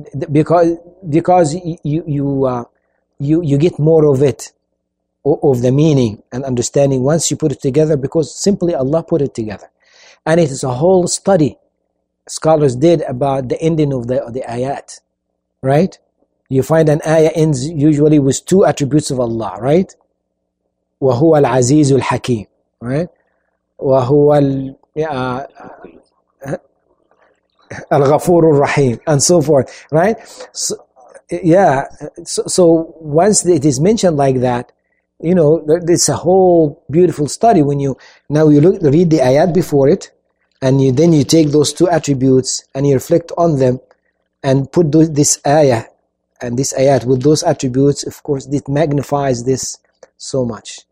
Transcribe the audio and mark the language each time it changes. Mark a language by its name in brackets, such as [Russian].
[English] Because you get more of it, of the meaning and understanding once you put it together, because simply Allah put it together. And it is a whole study scholars did about the ending of the ayat, right? You find an ayah ends usually with two attributes of Allah, right? [Arabic] وَهُوَ الْعَزِيزُ الْحَكِيمُ [English] Right? [Arabic] وَهُوَ الْغَفُورُ الرَّحِيمُ [English] And so forth, right? So once it is mentioned like that, you know, it's a whole beautiful study when you read the ayat before it, and you take those two attributes and you reflect on them and put this ayah and this ayat with those attributes, of course, it magnifies this so much.